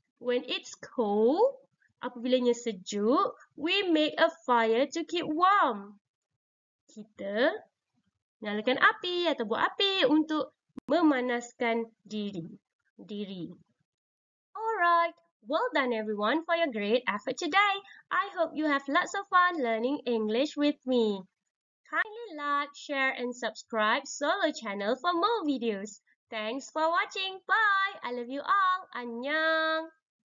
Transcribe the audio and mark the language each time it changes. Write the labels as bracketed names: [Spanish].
[English] When it's cold, [Malay] apabilanya sejuk, [English] we make a fire to keep warm. [Malay] Kita nyalakan api atau buat api untuk memanaskan diri. [English] Alright, well done everyone for your great effort today. I hope you have lots of fun learning English with me. Kindly like, share and subscribe Solo Channel for more videos. Thanks for watching. Bye. I love you all. Annyeong.